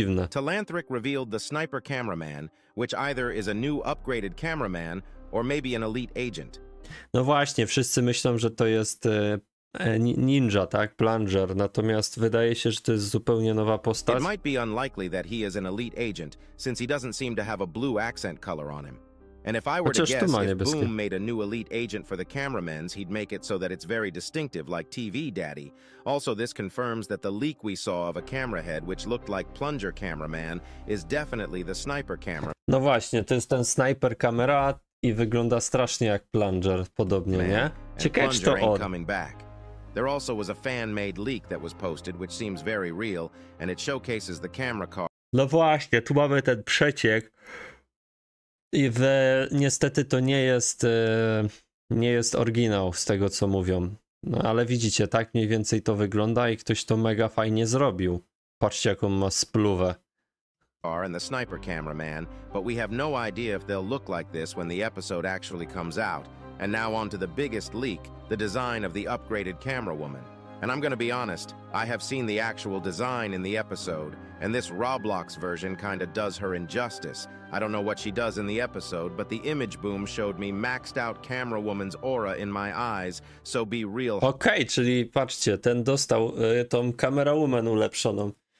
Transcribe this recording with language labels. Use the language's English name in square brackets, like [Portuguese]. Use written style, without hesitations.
[English] Talanthric revealed the sniper cameraman, which either is a new upgraded cameraman, or maybe an elite agent. [Polish] No właśnie, wszyscy myślą, że to jest... Ninja, tak? Plunger. Natomiast wydaje się, że to jest zupełnie nowa postać. [English] It might be unlikely that he is an elite agent, since he doesn't seem to have a blue accent color on him. And if I were to guess, if Boom made a new elite agent for the cameramans, he'd make it so that it's very distinctive, like TV Daddy. Also, this confirms that the leak we saw of a camera head, which looked like plunger cameraman, is definitely the sniper camera. [Polish] No właśnie, to jest ten sniper kamera i wygląda strasznie jak plunger, podobnie, nie? Ciekawe, czy to on. [English] There also was a fan-made leak that was posted, which seems very real, and it showcases the camera car. [Polish] No właśnie, tu mamy ten przeciek. I niestety to nie jest oryginał z tego, co mówią. No ale widzicie, tak mniej więcej to wygląda i ktoś to mega fajnie zrobił. Patrzcie, jaką ma spluwę. [English] And the sniper cameraman, but we have no idea if they'll look like this when the episode actually comes out. And now on to the biggest leak, the design of the upgraded camera woman. And I'm going to be honest, I have seen the actual design in the episode, and this Roblox version kind of does her injustice. I don't know what she does in the episode, but the image boom showed me maxed out camera woman's aura in my eyes, so be real. [Polish] Okay, czyli patrzcie, ten dostał tą camera woman ulepszoną.